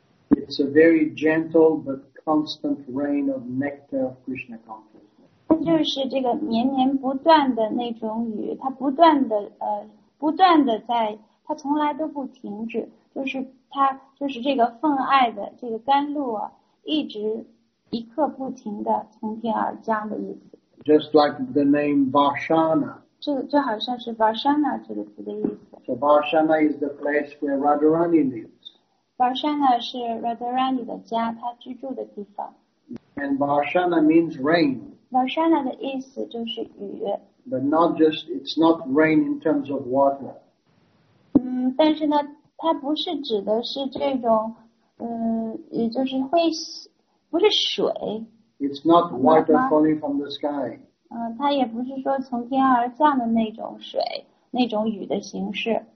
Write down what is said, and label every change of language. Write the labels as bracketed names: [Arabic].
[English] It's a very gentle but constant rain of nectar of Krishna consciousness. [Chinese] 它就是这个绵绵不断的那种雨，它不断的不断的在。它从来都不停止，就是它就是这个奉爱的这个甘露啊，一直一刻不停的从天而降的意思。 [English] Just like the name Varshana. [Chinese] 这好像是 Varshana 这个词的意思。 [English] So Varshana is the place where Radharani lives. [Chinese] Varshana 是 Radharani 的家，她居住的地方。 [English] And Varshana means rain. [Chinese] Varshana 的意思就是雨。 [English] But not just it's not rain in terms of water. [Chinese] 但是呢，它不是指的是这种，也就是会，不是水。 [English] It's not water falling from the sky. [Chinese] 它也不是说从天而降的那种水，那种雨的形式。